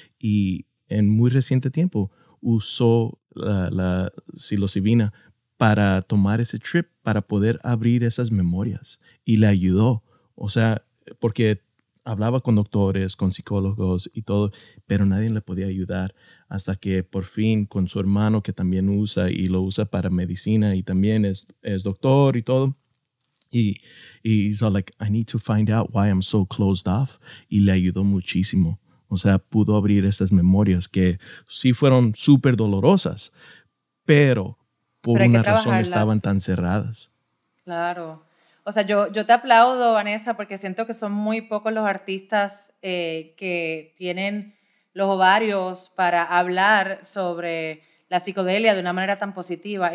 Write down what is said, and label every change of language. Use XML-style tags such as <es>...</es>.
<es>Y en muy reciente tiempo usó la psilocibina para tomar ese trip, para poder abrir esas memorias. Y le ayudó. O sea, porque hablaba con doctores, con psicólogos y todo, pero nadie le podía ayudar. Hasta que por fin con su hermano, que también usa y lo usa para medicina y también es doctor y todo.</es> <en>Y he's all like, I need to find out why I'm so closed off.</en> <es>Y le ayudó muchísimo. O sea, pudo abrir esas memorias que sí fueron súper dolorosas, pero por una razón estaban tan cerradas. Claro. O sea, yo te aplaudo, Vanessa, porque siento que son muy pocos los artistas que tienen los ovarios para hablar sobre la psicodelia de una manera tan positiva.</es>